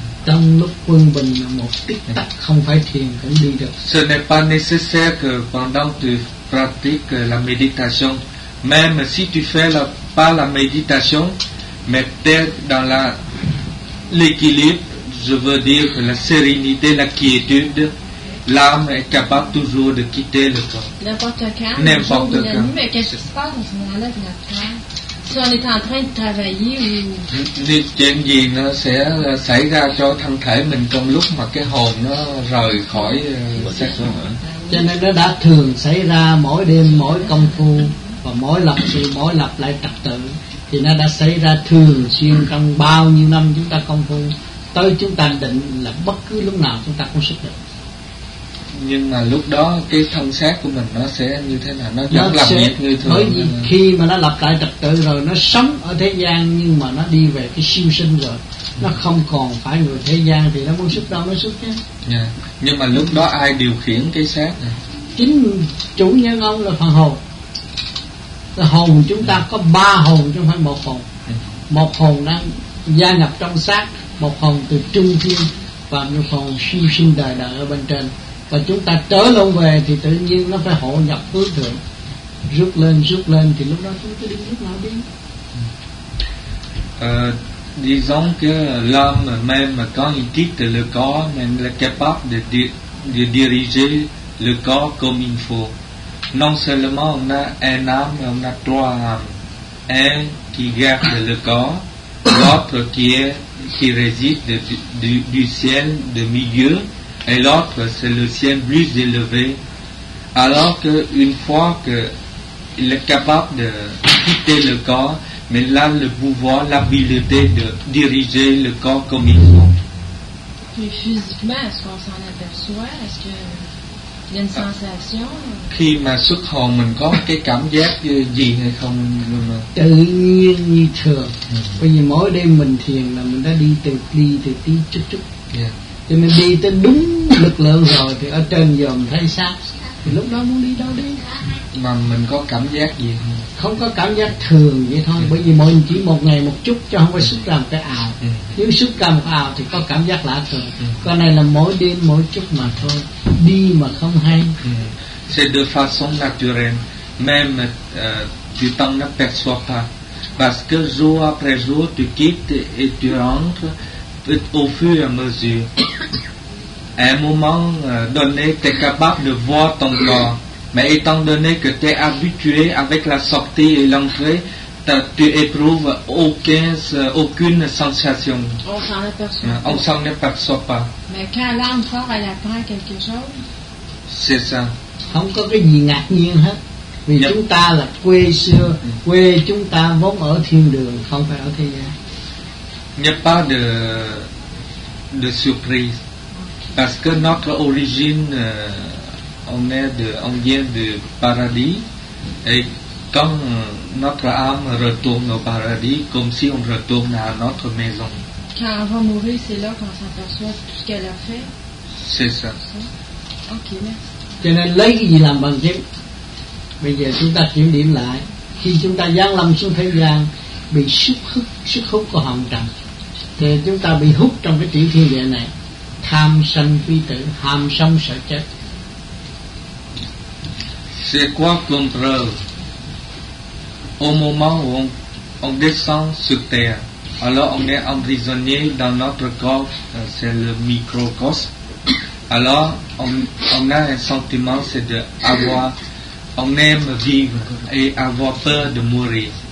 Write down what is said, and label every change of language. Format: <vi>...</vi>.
<vi>Trong lúc quân bình là một tích tắc, không phải thiền cũng đi được.</vi> <fr>Ce n'est pas nécessaire que pendant tu pratiques la méditation, même si tu fais pas la méditation, mais peut-être dans l'équilibre, je veux dire la sérénité, la quiétude, l'âme est capable toujours de quitter le corps. N'importe quand. N'importe quand. Mais qu'est-ce qui se passe en ce moment-là de notre corps? Si on est en train de travailler ou...</fr> <vi>Chuyện gì nó sẽ xảy ra cho thân thể mình trong lúc mà cái hồn nó rời khỏi xác xuất hả? Cho nên nó đã thường xảy ra mỗi đêm, mỗi công phu và mỗi lập lại trật tự. Thì nó đã xảy ra thường xuyên trong bao nhiêu năm chúng ta công phu. Tới chúng ta định là bất cứ lúc nào chúng ta cũng xuất được. Nhưng mà lúc đó cái thân xác của mình nó sẽ như thế nào? Nó vẫn làm việc như thường. Bởi vì khi mà nó lập lại trật tự rồi, nó sống ở thế gian nhưng mà nó đi về cái siêu sinh rồi. Nó không còn phải người thế gian thì nó muốn xuất đâu nó xuất chứ. Yeah. Nhưng mà lúc đó ai điều khiển cái xác này? Chính chủ nhân ông là phần hồn. Hồn chúng ta có ba hồn chứ không phải một hồn. Một hồn đang gia nhập trong xác, một hồn từ trung thiên và một hồn siêu sinh đời đời ở bên trên. Và chúng ta trở lộn về thì tự nhiên nó phải hộ nhập tứ thượng, rút lên thì lúc đó chúng ta đi lúc nào đi.</vi> <fr>Disons que l'âme même quand il quitte le corps, mais elle est capable de diriger le corps comme il faut. Non seulement on a un âme, mais on a trois âmes. Un qui garde le corps, l'autre qui réside du ciel de milieu, et l'autre c'est le ciel plus élevé. Alors qu'une fois qu'il est capable de quitter le corps, mais il a le pouvoir, l'habileté de diriger le corps comme il faut. Mais physiquement, est-ce qu'on s'en aperçoit? Est-ce que... Il y a une sensation.</fr> <vi>Khi mà xuất hồn mình có cái cảm giác gì hay không? Tự nhiên như thường. Bởi vì mỗi đêm mình thiền là mình đã đi từ ly từ tí chút chút. Cho nên đi tới đúng lực lượng rồi thì ở trên dòm thấy sao? Thì lúc đó muốn đi đâu đi. Mà mình có cảm giác gì không? Không có cảm giác thường vậy thôi. Bởi vì mình chỉ một ngày một chút chứ không phải xuất ra một cái ảo. Nếu xuất ra một ảo thì có cảm giác lạ thường. Con này là mỗi đêm mỗi chút mà thôi. Đi mà không hay.</vi> <fr>C'est de façon naturelle. Même tu t'en aperçois pas. Parce que jour après jour tu quittes et tu rentres au fur et à mesure. À un moment donné tu es capable de voir ton corps. Mais étant donné que tu es habitué avec la sortie et l'entrée, tu éprouves aucune sensation. On s'en aperçoit. On s'en aperçoit pas. Mais quand l'âme sort, elle apprend quelque chose. C'est ça.</fr> <vi>Không có cái gì ngạc nhiên hết. Vì chúng ta là quê xưa, quê chúng ta vốn ở thiên đường, không phải ở thế gian.</vi> <fr>n'y a pas de, de surprise. Parce que notre origine, on est de, on vient du paradis, et quand notre âme retourne au paradis, comme si on retourne à notre maison. Quand avant mourir, c'est là qu'on s'aperçoit tout ce qu'elle a fait. C'est ça. Ok, merci.</fr> <vi>Cho nên lấy cái gì làm bằng chứng? Bây giờ chúng ta kiểm điểm lại. Khi chúng ta giáng lâm xuống thế gian, bị sức hút của hồng trần, thì chúng ta bị hút trong cái tiểu thiên địa này. Tham sân phi tử, ham sống sợ chết.</vi> <fr>C'est quoi comme preuve? Au moment où on descend sur terre, alors on est emprisonné dans notre corps, c'est le microcosme. Alors, on a un sentiment, c'est de avoir, on aime vivre et avoir peur de mourir.</fr>